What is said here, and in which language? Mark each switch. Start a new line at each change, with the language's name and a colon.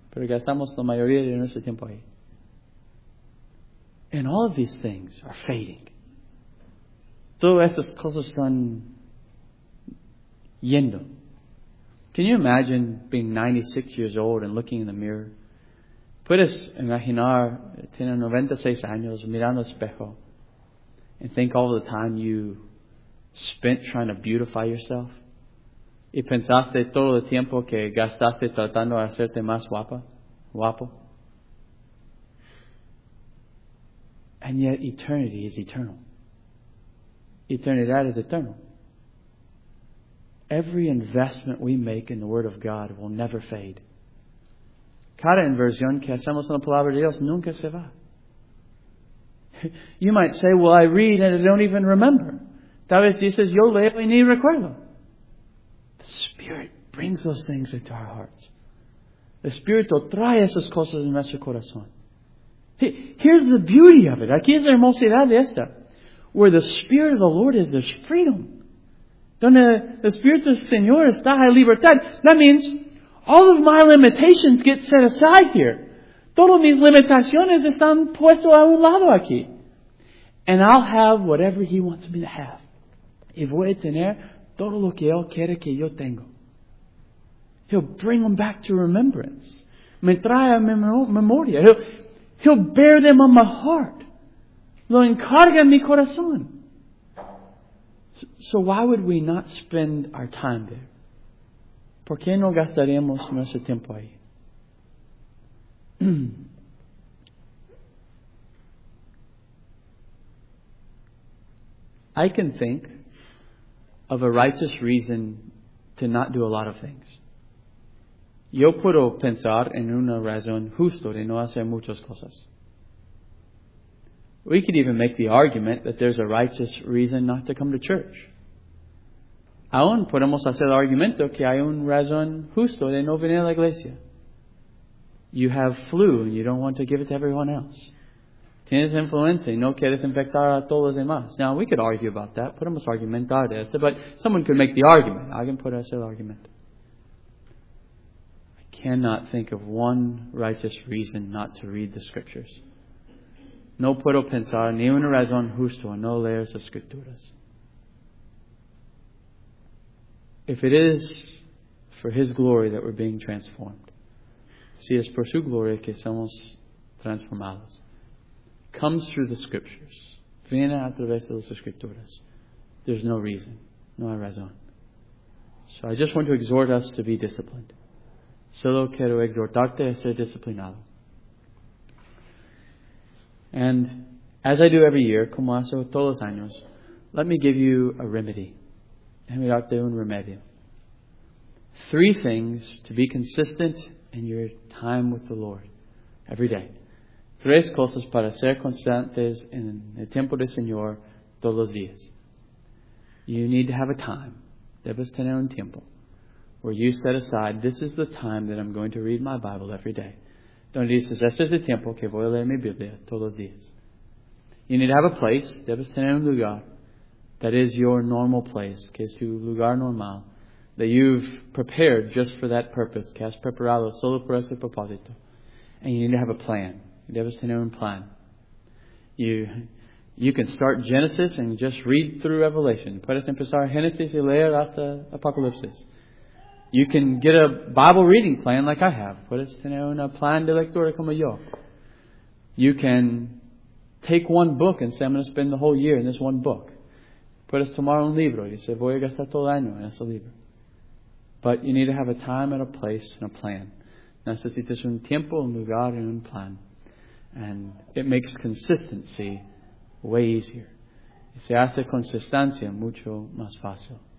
Spanish: Pero gastamos la mayoría de nuestro tiempo ahí.
English: And all of these things are fading.
Spanish: Todas estas cosas están yendo.
English: Can you imagine being 96 years old and looking in the mirror?
Spanish: Puedes imaginar tener 96 años mirando al espejo.
English: And think all the time you spent trying to beautify yourself.
Spanish: Y pensaste todo el tiempo que gastaste tratando de hacerte más guapa, guapo.
English: And yet eternity is eternal. Eternidad is eternal. Every investment we make in the Word of God will never fade.
Spanish: Cada inversión que hacemos en la Palabra de Dios nunca se va.
English: You might say, well, I read and I don't even remember.
Spanish: Tal vez dices, yo leo y ni recuerdo.
English: The Spirit brings those things into our hearts.
Spanish: El Espíritu trae esas cosas en nuestro corazón.
English: Here's the beauty of it.
Spanish: Aquí es la hermosidad de esta.
English: Where the Spirit of the Lord is, there's freedom.
Spanish: Donde el Espíritu del Señor está, hay libertad.
English: That means all of my limitations get set aside here.
Spanish: Todas mis limitaciones están puestas a un lado aquí.
English: And I'll have whatever He wants me to have.
Spanish: Y voy a tener todo lo que Él quiere que yo tengo.
English: He'll bring them back to remembrance.
Spanish: me trae a memoria.
English: He'll bear them on my heart.
Spanish: Lo encarga en mi corazón.
English: So why would we not spend our time there?
Spanish: ¿Por qué no gastaríamos nuestro tiempo ahí?
English: I can think of a righteous reason to not do a lot of things.
Spanish: Yo puedo pensar en una razón justa de no hacer muchas cosas.
English: We could even make the argument that there's a righteous reason not to come to church.
Spanish: Aún podemos hacer el argumento que hay una razón justa de no venir a la iglesia.
English: You have flu and you don't want to give it to everyone else.
Spanish: Tienes influenza y no quieres infectar a todos los demás.
English: Now, we could argue about that.
Spanish: Podemos argumentar de eso.
English: But someone could make the argument.
Spanish: Alguien puede hacer el argumento.
English: I cannot think of one righteous reason not to read the Scriptures.
Spanish: No puedo pensar ni una razón justa no leer las Escrituras.
English: If it is for His glory that we're being transformed,
Spanish: si es por su gloria que somos transformados,
English: comes through the Scriptures.
Spanish: Viene a través de las Escrituras.
English: There's no reason.
Spanish: No hay razón.
English: So I just want to exhort us to be disciplined.
Spanish: Solo quiero exhortarte a ser disciplinado.
English: And as I do every year,
Spanish: como hago todos los años,
English: let me give you a remedy.
Spanish: Déjame darte un remedio.
English: Three things to be consistent in your time with the Lord every day.
Spanish: Tres cosas para ser constantes en el tiempo del Señor todos los días.
English: You need to have a time.
Spanish: Debes tener un tiempo.
English: Where you set aside, this is the time that I'm going to read my Bible every day.
Spanish: Donde dices, este es el tiempo que voy a leer mi Biblia todos los días.
English: You need to have a place.
Spanish: Debes tener un lugar.
English: That is your normal place.
Spanish: Que es tu lugar normal.
English: That you've prepared just for that purpose.
Spanish: Que has preparado solo por ese propósito.
English: And you need to have a plan.
Spanish: Debes tener un plan.
English: You can start Genesis and just read through Revelation.
Spanish: Puedes empezar Genesis y leer hasta Apocalipsis.
English: You can get a Bible reading plan like I have.
Spanish: Puedes tener un plan de lectura como yo.
English: You can take one book and say, I'm going to spend the whole year in this one book.
Spanish: Puedes tomar un libro y say, voy a gastar todo el año en ese libro.
English: But you need to have a time and a place and a plan.
Spanish: Necesitas un tiempo, un lugar y un plan.
English: And it makes consistency way easier.
Spanish: Y se hace consistencia mucho más fácil.